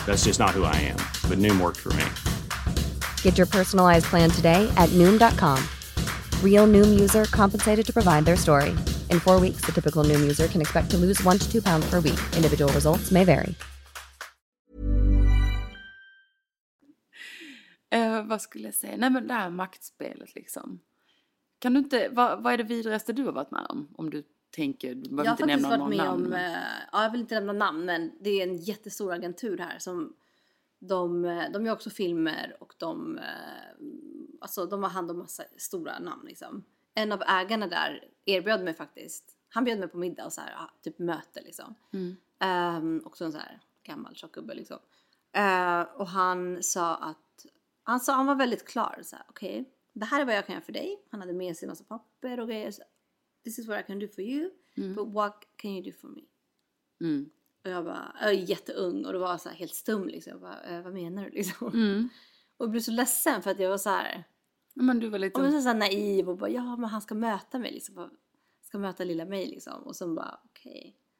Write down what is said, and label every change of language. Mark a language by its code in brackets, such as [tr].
[en] That's just not who I am. But Noom worked for me. Get your personalized plan today at Noom.com. Real Noom user compensated to provide their story. In 4 weeks, the typical Noom user can expect to lose 1 to 2 pounds per week. Individual results may vary. [sv] Vad skulle jag säga? Nej, men det här maktspelet liksom. Kan du inte, vad är det vidrigaste du har varit med om du... Tänker, jag har faktiskt varit med namn. Om, ja, jag vill inte nämna namn, men det är en jättestor agentur här som de gör också filmer och de, alltså de har hand om massa stora namn liksom. En av ägarna där erbjöd mig faktiskt, han bjöd mig på middag och så här, typ möte liksom. Mm. Också en så här gammal tjockgubbe liksom. Och han sa att, han sa han var väldigt klar så här, okej, det här är vad jag kan göra för dig. Han hade med sig massa papper och grejer så. [en] This is what I can do for you, but what can you do for me? Mm. [sv] Och jag bara, jag är jätteung och det var så här helt stum liksom. Jag bara, vad menar du liksom? Mm. Och jag blev så ledsen för att jag var så här. Men du var lite... Och jag var så här naiv och bara, ja men han ska möta mig liksom. Ska möta lilla mig liksom. Och sen bara, okej.